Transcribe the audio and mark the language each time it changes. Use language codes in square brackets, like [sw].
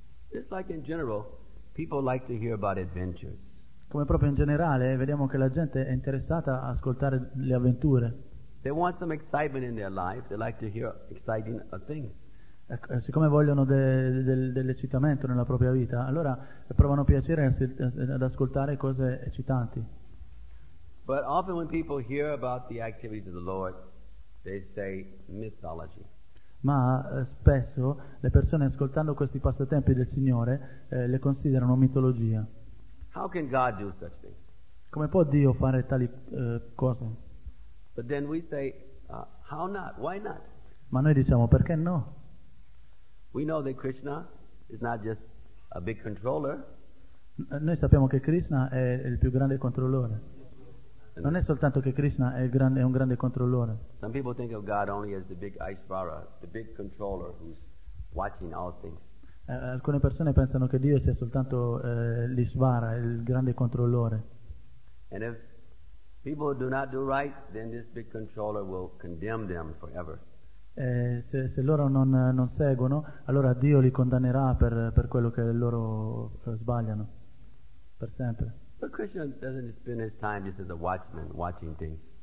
[en] It's like in general, people like to hear about adventures. [it] Come proprio in generale, vediamo che la gente è interessata a ascoltare le avventure. [en] They want some excitement in their life. They like to hear exciting things. [it] Siccome vogliono dell'eccitamento nella propria vita, allora provano piacere ad ascoltare cose eccitanti. [en] But often when people hear about the activities of the Lord, they say mythology. [it] Ma spesso le persone ascoltando questi passatempi del Signore le considerano mitologia. [en] How can God do such things? [it] Come può Dio fare tali cose? [en] But then we say, how not? Why not? [it] Ma noi diciamo perché no? [en] We know that Krishna is not just a big controller. [it] Noi sappiamo che Krishna è il più grande controllore. Non è soltanto che Krishna è un grande controllore. [en] Some people think of God only as the big Aishvara, the big controller who's watching all things. [it] Alcune persone pensano che Dio sia soltanto l'Ishvara, il grande controllore. [en] And if people do not do right, then this big controller will condemn them forever. [it] Se loro non seguono, allora Dio li condannerà per quello che loro sbagliano per sempre. [en] But Krishna doesn't spend his time just as a watchman watching things.